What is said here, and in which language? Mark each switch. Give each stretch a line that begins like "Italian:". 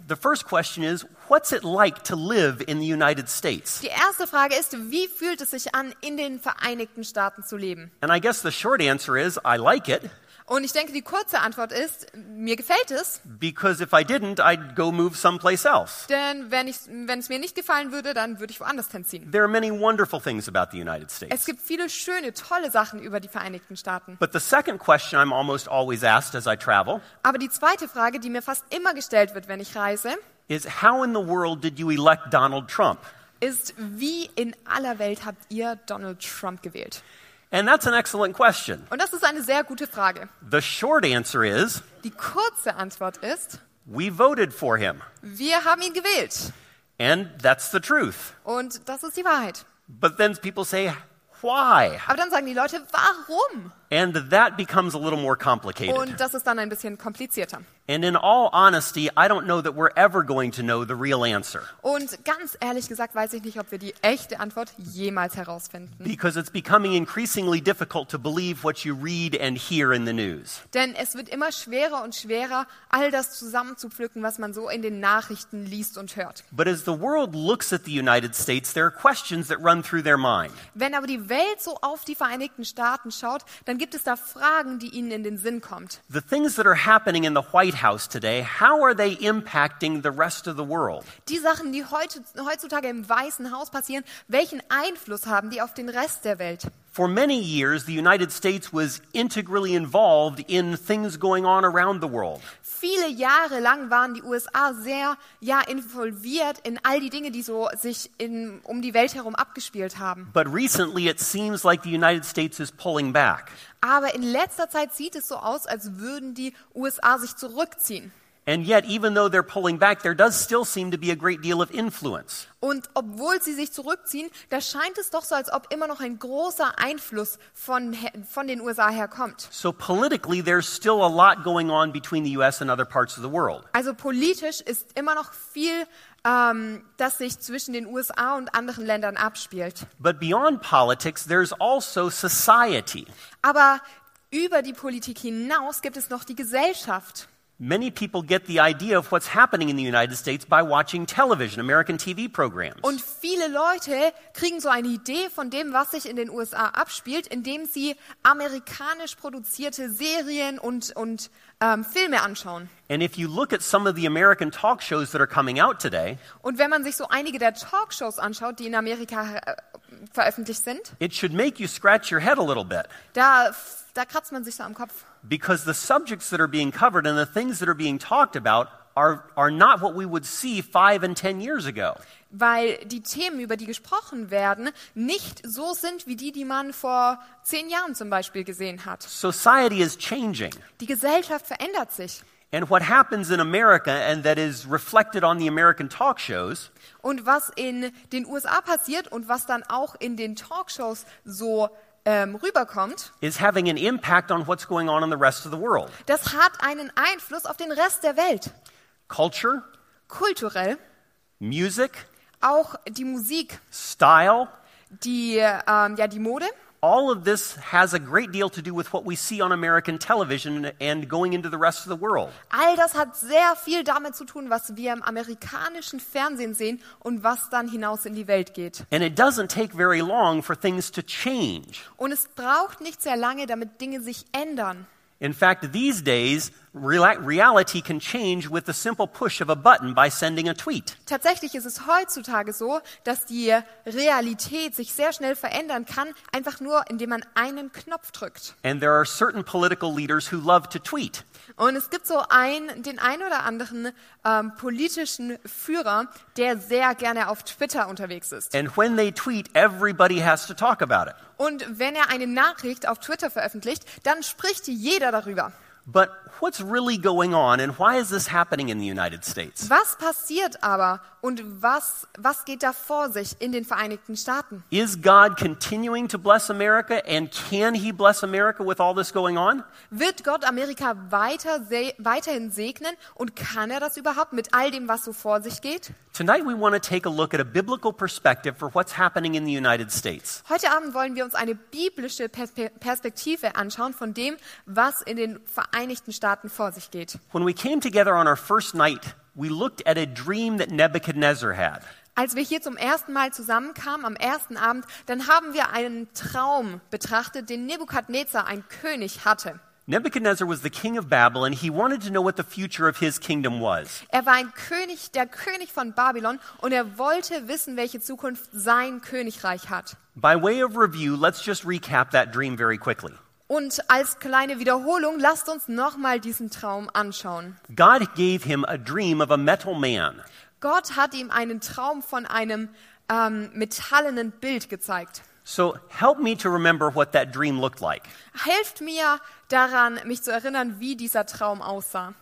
English: The first question is, what's it like to live in the United States?
German: Die erste Frage ist, wie fühlt es sich an, in den Vereinigten Staaten zu leben?
English: And I guess the short answer is, I like it.
German: Und ich denke, die kurze Antwort ist, mir gefällt es.
English: Because if I didn't, I'd go move someplace else.
German: Denn wenn es mir nicht gefallen würde, dann würde ich woanders hinziehen.
English: There are many wonderful things about the United States.
German: Es gibt viele schöne, tolle Sachen über die Vereinigten Staaten.
English: But the second question I'm almost always asked as I travel.
German: Aber die zweite Frage, die mir fast immer gestellt wird, wenn ich reise,
English: is how in the world did you elect Donald Trump?
German: Ist, wie in aller Welt habt ihr Donald Trump gewählt?
English: And that's an excellent question.
German: Und das ist eine sehr gute Frage.
English: The short answer is,
German: die kurze Antwort ist,
English: we voted for him.
German: Wir haben ihn gewählt.
English: And that's the truth.
German: Und das ist die Wahrheit.
English: But then people say, why?
German: Aber dann sagen die Leute, warum?
English: And that becomes a little more complicated.
German: Und das ist dann ein bisschen komplizierter.
English: And in all honesty, I don't know that we're ever going to know the real answer.
German: Und ganz ehrlich gesagt, weiß ich nicht, ob wir die echte Antwort jemals herausfinden.
English: Because it's becoming increasingly difficult to believe what you read and hear in the news.
German: Denn es wird immer schwerer und schwerer, all das zusammenzupflücken, was man so in den Nachrichten liest und hört.
English: But as the world looks at the United States, there are questions that run through their mind.
German: Wenn aber die Welt so auf die Vereinigten Staaten schaut, dann gibt es da Fragen, die ihnen in den Sinn kommt.
English: The things that are happening in the White House today, how are they impacting the rest of the world?
German: Die Sachen, die heutzutage im Weißen Haus passieren, welchen Einfluss haben die auf den Rest der Welt?
English: For many years, the United States was integrally involved in things going on around the world.
German: Viele Jahre lang waren die USA sehr, ja, involviert in all die Dinge, die so sich um die Welt herum abgespielt haben.
English: But recently, it seems like the United States is pulling back.
German: Aber in letzter Zeit sieht es so aus, als würden die USA sich zurückziehen.
English: And yet, even though they're pulling back, there does still seem to be a great deal of influence.
German: Und obwohl sie sich zurückziehen, da scheint es doch so, als ob immer noch ein großer Einfluss von den USA herkommt.
English: So politically, there's still a lot going on between the US and other parts of the world.
German: Also politisch ist immer noch viel, das sich zwischen den USA und anderen Ländern abspielt.
English: But beyond politics, there's also society.
German: Aber über die Politik hinaus gibt es noch die Gesellschaft.
English: Many people get the idea of what's happening in the United States by watching television, American TV programs.
German: Und viele Leute kriegen so eine Idee von dem, was sich in den USA abspielt, indem sie amerikanisch produzierte Serien und Filme anschauen.
English: And if you look at some of the American talk shows that are coming out today,
German: und wenn man sich so einige der Talkshows anschaut, die in Amerika veröffentlicht sind,
English: it should make you scratch your head a little bit.
German: Da kratzt man sich so am Kopf.
English: Because the subjects that are being covered and the things that are being talked about are not what we would see 5 and 10 years ago.
German: Weil die Themen, über die gesprochen werden, nicht so sind wie die, die man vor 10 Jahren zum Beispiel gesehen hat.
English: Society is changing.
German: Die Gesellschaft verändert sich.
English: And what happens in America, and that is reflected on the American talk shows.
German: Und was in den USA passiert und was dann auch in den Talkshows so rüberkommt,
English: is having an impact on what's going on in the rest of the world.
German: Das hat einen Einfluss auf den Rest der Welt.
English: Culture.
German: Kulturell.
English: Music.
German: Auch die Musik.
English: Style.
German: Die die Mode.
English: All of this has a great deal to do with what we see on American television and going into the rest of the world.
German: All das hat sehr viel damit zu tun, was wir im amerikanischen Fernsehen sehen und was dann hinaus in die Welt geht.
English: And it doesn't take very long for things to change.
German: Und es braucht nicht sehr lange, damit Dinge sich ändern.
English: In fact, these days, reality can change with the simple push of a button by sending a tweet.
German: Tatsächlich ist es heutzutage so, dass die Realität sich sehr schnell verändern kann, einfach nur, indem man einen Knopf drückt.
English: And there are certain political leaders who love to tweet.
German: Und es gibt so den ein oder anderen politischen Führer, der sehr gerne auf Twitter unterwegs ist.
English: And when they tweet, everybody has to talk about it.
German: Und wenn er eine Nachricht auf Twitter veröffentlicht, dann spricht jeder darüber.
English: But what's really going on and why is this happening in the United States?
German: Was passiert aber und was geht da vor sich in den Vereinigten Staaten?
English: Is God continuing to bless America and can he bless America with all this going on?
German: Wird Gott Amerika weiterhin segnen und kann er das überhaupt mit all dem, was so vor sich geht?
English: Tonight we want to take a look at a biblical perspective for what's happening in the United States.
German: Heute Abend wollen wir uns eine biblische Perspektive anschauen von dem, was in den Vereinigten Staaten vor sich geht.
English: When we came together on our first night, we looked at a dream that Nebuchadnezzar had.
German: Als wir hier zum ersten Mal zusammenkamen am ersten Abend, dann haben wir einen Traum betrachtet, den Nebukadnezar, ein König, hatte.
English: Nebuchadnezzar was the king of Babylon. He wanted to know what the future of his kingdom was.
German: Er war ein König, der König von Babylon, und er wollte wissen, welche Zukunft sein Königreich hat.
English: By way of review, let's just recap that dream very quickly.
German: Und als kleine Wiederholung, lasst uns nochmal diesen Traum anschauen.
English: God gave him a dream of a metal man.
German: Gott hat ihm einen Traum von einem metallenen Bild gezeigt.
English: So help me to remember what that dream looked like.
German: Helft mir daran, mich zu erinnern, wie dieser Traum aussah.